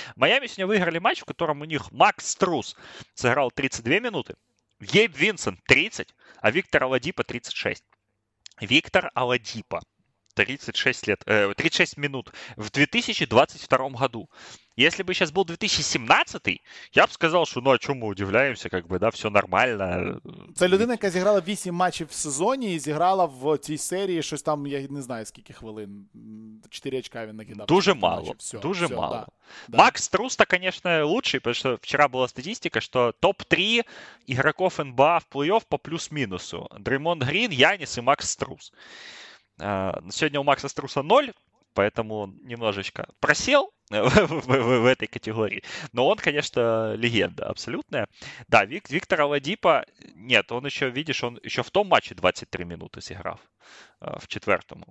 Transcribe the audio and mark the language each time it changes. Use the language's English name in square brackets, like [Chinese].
[Russian] Майами сегодня выиграли матч, в котором у них Макс Трус сыграл 32 минуты, Гейб Винсент 30, а Виктор Оладипо 36. Виктор Оладипо 36 минут в 2022 году. Если бы сейчас был 2017, я бы сказал, что ну о чем мы удивляемся, как бы, да, все нормально. [Ukrainian] Це людина, яка зіграла 8 матчів в сезоні і зіграла в цій серії щось там, я не знаю, скільки хвилин. 4 очка він накидав. Дуже мало, все, дуже все, мало. [Russian] Да. Макс Трус, конечно, лучший, потому что вчера была статистика, что топ-3 игроков НБА в плей-офф по плюс-минусу. Дреймонд Грін, Янис и Макс Трус. Сегодня у Макса Струса 0, поэтому немножечко просел, в этой категории. Но он, конечно, легенда абсолютная. Да, Виктор Оладипо, нет, он еще, видишь, он еще в том матче 23 минуты сыграл в четвертом.